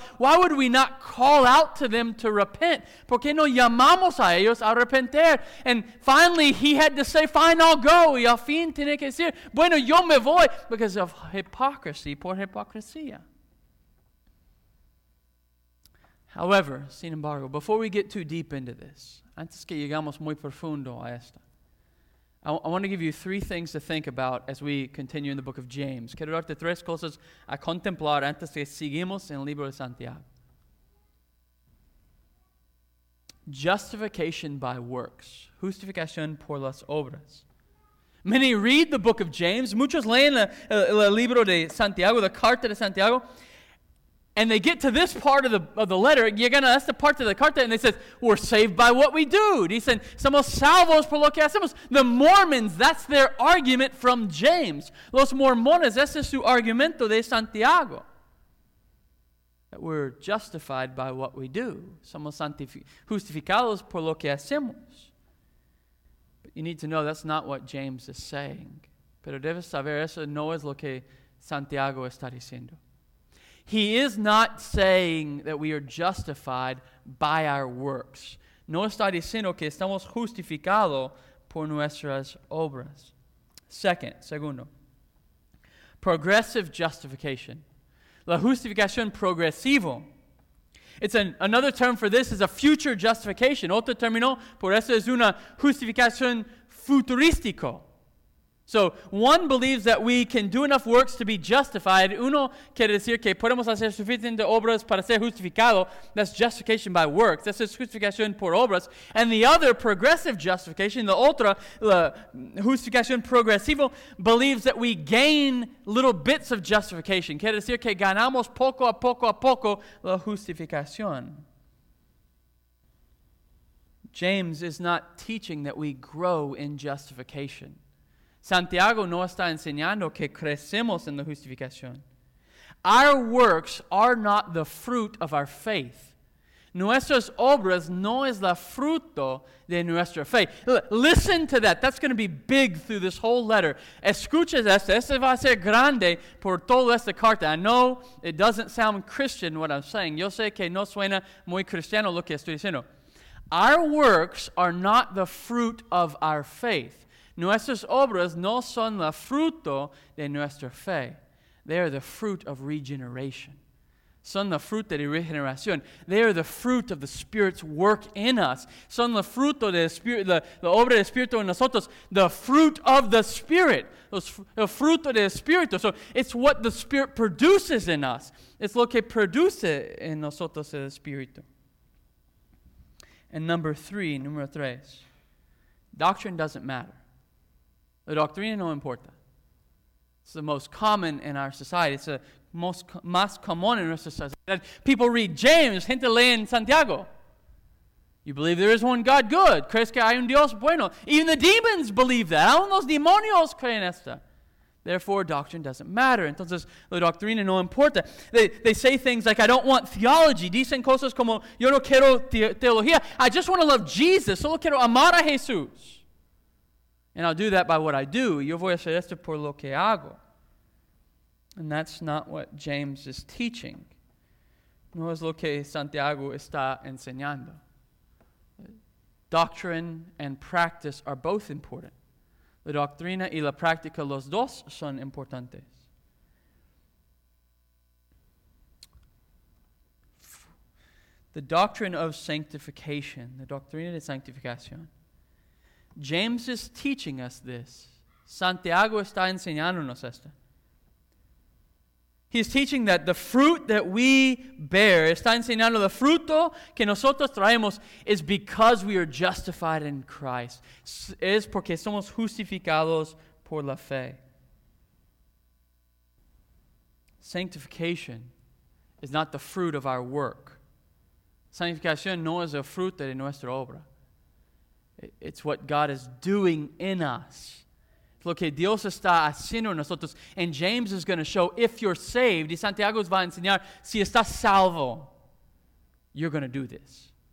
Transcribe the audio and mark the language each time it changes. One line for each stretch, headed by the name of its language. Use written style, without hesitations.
English: Why would we not call out to them to repent?
Spanish: ¿Por qué no llamamos a ellos a arrepentir?
English: And finally, he had to say, fine, I'll go.
Spanish: Y al fin tiene que decir, bueno, yo me voy.
English: Because of hypocrisy,
Spanish: por hipocresía.
English: However,
Spanish: sin embargo,
English: before we get too deep into this,
Spanish: antes que llegamos muy profundo a esta,
English: I want to give you three things to think about as we continue in the book of James.
Spanish: Quiero darte tres cosas a contemplar antes que seguimos en el libro de Santiago.
English: Justification by works.
Spanish: Justificación por las obras.
English: Many read the book of James.
Spanish: Muchos leen el libro de Santiago, la carta de Santiago.
English: And they get to this part of the letter. That's the part of the carta. And they say, we're saved by what we do.
Spanish: Dicen, somos salvos por lo que hacemos.
English: The Mormons, that's their argument from James.
Spanish: Los Mormones, ese es su argumento de Santiago.
English: That we're justified by what we do.
Spanish: Somos justificados por lo que hacemos.
English: But you need to know that's not what James is saying.
Spanish: Pero debes saber, eso no es lo que Santiago está diciendo.
English: He is not saying that we are justified by our works.
Spanish: No está diciendo que estamos justificados por nuestras obras. Segundo,
English: progressive justification.
Spanish: La justificación progresivo.
English: It's another term for this is a future justification.
Spanish: Otro término, por eso es una justificación futurístico.
English: So, one believes that we can do enough works to be justified.
Spanish: Uno quiere decir que podemos hacer suficientes obras para ser justificado.
English: That's justification by works. That's just
Spanish: justificación por obras.
English: And the other, progressive justification, the
Spanish: otra, la justificación progresivo,
English: believes that we gain little bits of justification.
Spanish: Quiere decir que ganamos poco a poco a poco la justificación.
English: James is not teaching that we grow in justification.
Spanish: Santiago no está enseñando que crecemos en la justificación.
English: Our works are not the fruit of our faith.
Spanish: Nuestras obras no es la fruto de nuestra fe.
English: Listen to that. That's going to be big through this whole letter.
Spanish: Escuches esto. Esto va a ser grande por toda esta carta.
English: I know it doesn't sound Christian what I'm saying.
Spanish: Yo sé que no suena muy cristiano lo que estoy diciendo.
English: Our works are not the fruit of our faith.
Spanish: Nuestras obras no son la fruto de nuestra fe.
English: They are the fruit of regeneration.
Spanish: Son la fruto de regeneración.
English: They are the fruit of the Spirit's work in us.
Spanish: Son la fruto de la obra del Espíritu en nosotros.
English: The fruit of the Spirit.
Spanish: El fruto del Espíritu.
English: So it's what the Spirit produces in us.
Spanish: It's lo que produce en nosotros el Espíritu. And número tres.
English: Doctrine doesn't matter.
Spanish: La doctrina no importa.
English: It's the most common in our society. It's the most
Spanish: más común
English: in our society. People read James,
Spanish: gente lee en Santiago.
English: You believe there is one God, good.
Spanish: ¿Crees que hay un Dios bueno?
English: Even the demons believe that.
Spanish: Aún los demonios creen esto.
English: Therefore, doctrine doesn't matter.
Spanish: Entonces, la doctrina no importa.
English: They say things like, I don't want theology.
Spanish: Dicen cosas como, yo no quiero teología.
English: I just want to love Jesus.
Spanish: Solo quiero amar a Jesús.
English: And I'll do that by what I do.
Spanish: Yo voy a hacer esto por lo que hago.
English: And that's not what James is teaching.
Spanish: No es lo que Santiago está enseñando.
English: Doctrine and practice are both important.
Spanish: La doctrina y la práctica, los dos son importantes.
English: The doctrine of sanctification, the
Spanish: doctrina de sanctificación.
English: James is teaching us this.
Spanish: Santiago está enseñándonos esto.
English: He's teaching that the fruit that we bear,
Spanish: está enseñando el fruto que nosotros traemos,
English: is because we are justified in Christ.
Spanish: Es porque somos justificados por la fe.
English: Sanctification is not the fruit of our work.
Spanish: Sanctificación no es el fruto de nuestra obra.
English: It's what God is doing in us.
Spanish: Lo que Dios está haciendo en nosotros.
English: And James is going to show, if you're saved,
Spanish: y Santiago va a enseñar, si estás salvo,
English: you're going to do this.